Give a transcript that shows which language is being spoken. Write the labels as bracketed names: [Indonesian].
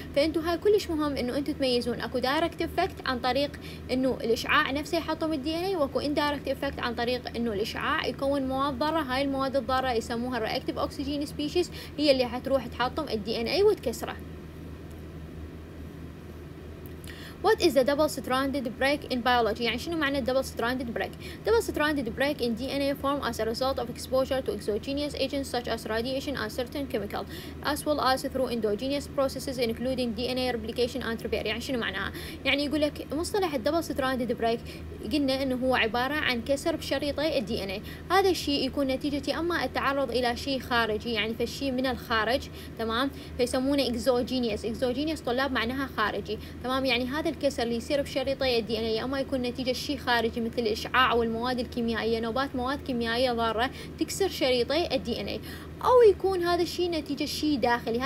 [Arabic] فانتوا هاي كلش مهم انه انتوا تميزون اكو دايركت افكت عن طريق انه الاشعاع نفسه يحطم الدي ان اي، واكو اندايركت افكت عن طريق انه الاشعاع يكون مواد ضارة. هاي المواد الضارة يسموها الرياكتيف اوكسجين سبيشيز هي اللي حتروح تحطم الدي ان اي وتكسره. [English] What is the double stranded break in biology؟ [Arabic] يعني شنو معنى [English] double stranded break؟ double stranded break in DNA form as a result of exposure to exogenous agents such as radiation and certain chemicals as well as through endogenous processes including DNA replication and repair. [Arabic] يعني شنو معناها؟ يعني يقول لك مصطلح double stranded break، قلنا انه هو عبارة عن كسر بشريطي DNA. هذا الشيء يكون نتيجة اما التعرض الى شيء خارجي، يعني فالشيء من الخارج، تمام، فيسمونه exogenous. exogenous طلاب معناها خارجي، تمام، يعني هذا الكسر اللي يصير بشريطي الدي ان اي اما يكون نتيجه شيء خارجي مثل الاشعاع والمواد الكيميائيه، نوبات مواد كيميائيه ضاره تكسر شريطي الدي ان اي، او يكون هذا الشيء نتيجه شيء داخلي.